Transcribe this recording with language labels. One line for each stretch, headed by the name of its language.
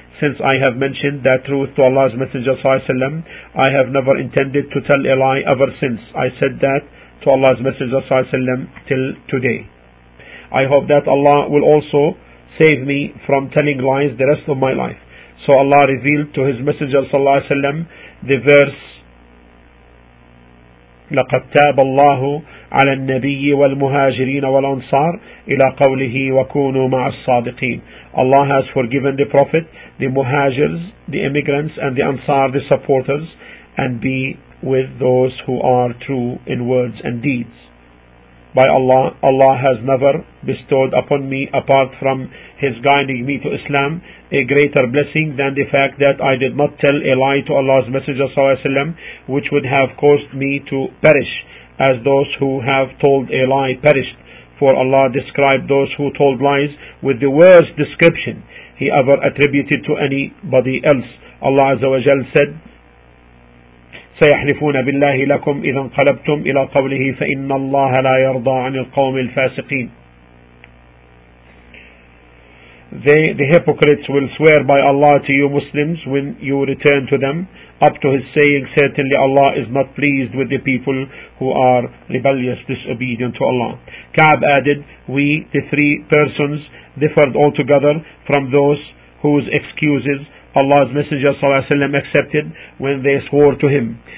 English: Since I have mentioned that truth to Allah's Messenger sallallahu alaihi wasallam, I have never intended to tell a lie ever since I said that to Allah's Messenger sallallahu alaihi wasallam till today. I hope that Allah will also save me from telling lies the rest of my life. So Allah revealed to His Messenger sallallahu alaihi wasallam the verse,
Arabic: لقد تاب الله على النبي والمهاجرين والأنصار إلى قوله وكونوا مع الصادقين.
English: Allah has forgiven the Prophet, the Muhajirs, the immigrants, and the Ansar, the supporters, and be with those who are true in words and deeds. By Allah, Allah has never bestowed upon me, apart from His guiding me to Islam, a greater blessing than the fact that I did not tell a lie to Allah's Messenger sallallahu alaihi wasallam, which would have caused me to perish, as those who have told a lie perished. For Allah described those who told lies with the worst description He ever attributed to anybody else. Allah Azza wa Jal said,
Arabic: سيحلفون بالله لكم إذا انقلبتم إلى قوله فإن الله لا يرضى عن القوم الفاسقين.
English: The hypocrites will swear by Allah to you Muslims when you return to them, up to his saying, certainly Allah is not pleased with the people who are rebellious, disobedient to Allah. Ka'b added, we, the three persons, differed altogether from those whose excuses Allah's Messenger
Arabic: صلى الله عليه وسلم
English: accepted when they swore to him.